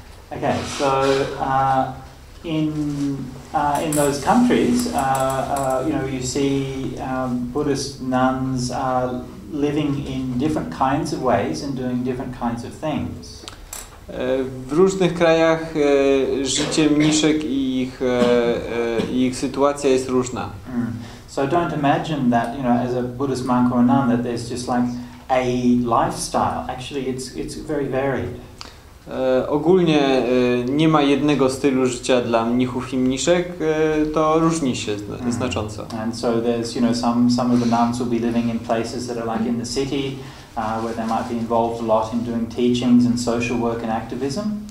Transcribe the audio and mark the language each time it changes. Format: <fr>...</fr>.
<en>Okay, so in those countries, you see Buddhist nuns living in different kinds of ways and doing different kinds of things.</en> <pl>W różnych krajach życie mniszek i ich sytuacja jest różna.</pl> <en>So don't imagine that, as a Buddhist monk or a nun, that there's just like a lifestyle. Actually, it's very varied.</en> <pl>Ogólnie nie ma jednego stylu życia dla mnichów i mniszek, to różni się znacząco.</pl> <en>And so there's, some of the nuns will be living in places that are like in the city, where they might be involved a lot in doing teachings and social work and activism.</en>